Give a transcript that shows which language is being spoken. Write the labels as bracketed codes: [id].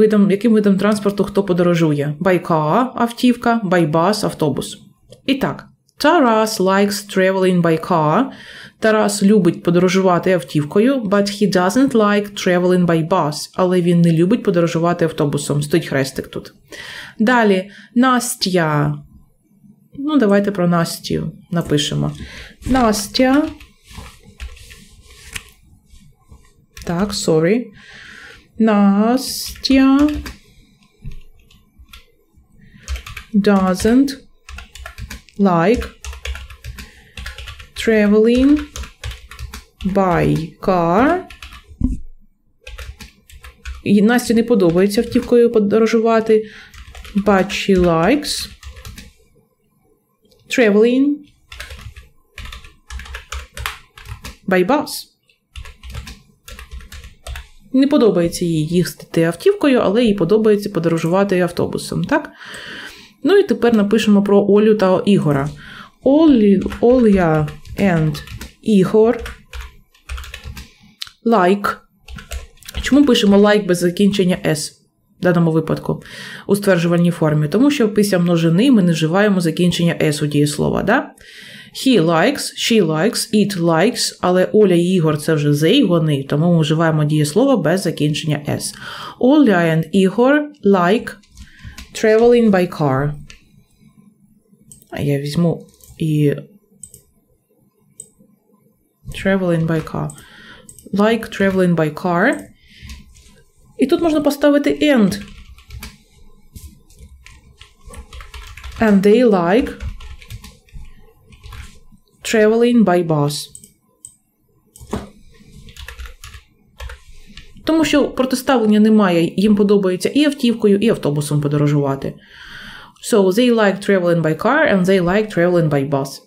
[uk] Яким видом транспорту хто подорожує? [en] By car – [uk] автівка, [en] by bus – [uk] автобус. І так, [en] Тарас likes traveling by car. [uk] Тарас любить подорожувати автівкою, [en] but he doesn't like traveling by bus. [uk] Але він не любить подорожувати автобусом. Стоїть хрестик тут. Далі, Настя. Ну, давайте про Настю напишемо. Настя. Так, [en] sorry. Настя doesn't like traveling by car. [uk] І Насті не подобається автівкою подорожувати, [en] but she likes traveling by bus. [uk] Не подобається їй їздити автівкою, але їй подобається подорожувати автобусом, так? Ну і тепер напишемо про Олю та Ігора. [en] Олія and Ігор like. [uk] Чому пишемо like без закінчення s в даному випадку у стверджувальній формі? Тому що після множини ми не вживаємо закінчення s у дієслова, да? [en] He likes, she likes, it likes, [uk] але Оля і Ігор – це вже they, вони, тому ми вживаємо дієслово без закінчення s. [en] Оля and Ігор like traveling by car. [uk] А я візьму і [en] traveling by car. Like traveling by car. [uk] І тут можна поставити and. [en] And they like traveling by bus. [uk] Тому що протиставлення немає, їм подобається і автівкою, і автобусом подорожувати. [en] So, they like traveling by car and they like traveling by bus.